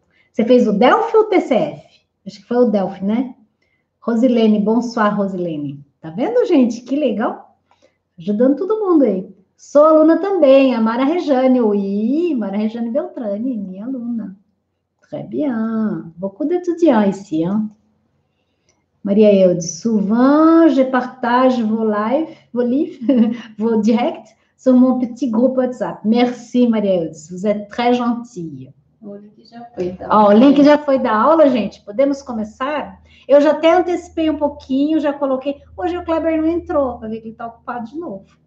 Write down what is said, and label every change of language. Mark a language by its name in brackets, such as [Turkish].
[Portuguese] Você fez o Delphi ou o TCF? Acho que foi o Delphi, né? Rosilene, bonsoir, Rosilene. Tá vendo, gente? Que legal. Ajudando todo mundo aí. Sou aluna também, a Mara Rejane. Oi, Mara Rejane Beltrani, minha aluna. [French] Très bien. Beaucoup d'étudiants ici, hein? Maria Eude, souvent je partage vos live, vos direct sur mon petit groupe WhatsApp. Merci, Maria Eude, vous êtes très gentille. [Portuguese] O link já foi da aula, gente. Podemos começar? Eu já até antecipei um pouquinho, já coloquei. Hoje o Kleber não entrou, para ver que ele está ocupado de novo.